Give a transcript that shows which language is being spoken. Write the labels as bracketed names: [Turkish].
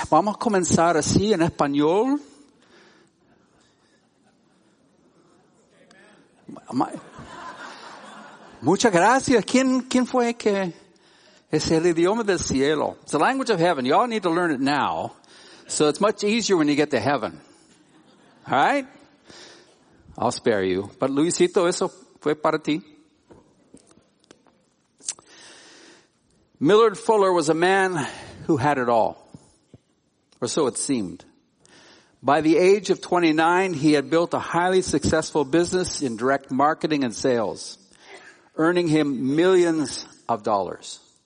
[Spanish] Vamos a comenzar así en español. Muchas gracias. ¿Quién fue que es el idioma del cielo? [English] It's the language of heaven. You all need to learn it now. So it's much easier when you get to heaven. All right? I'll spare you. [Spanish] But Luisito, eso fue para ti. [English] Millard Fuller was a man who had it all. Or so it seemed. By the age of 29, he had built a highly successful business in direct marketing and sales, earning him millions of dollars.